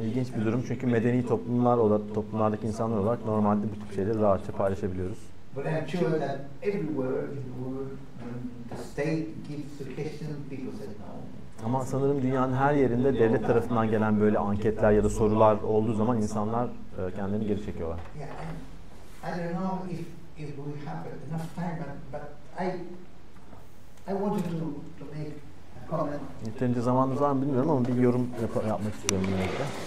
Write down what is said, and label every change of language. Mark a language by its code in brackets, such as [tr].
[tr] İlginç bir durum çünkü medeni toplumlar olarak, toplumlardaki insanlar olarak normalde bu tip şeyleri rahatça paylaşabiliyoruz. [en] But I'm sure that everywhere in the world, when the state gives suggestions, people say no. [tr] Ama sanırım dünyanın her yerinde devlet tarafından gelen böyle anketler ya da sorular olduğu zaman insanlar kendilerini geri çekiyorlar. [en] Yeah, I don't know if we have enough time, but I wanted to make a comment. [tr] Yeterince zamanımız var mı bilmiyorum ama bir yorum yapmak istiyorum bununla ilgili.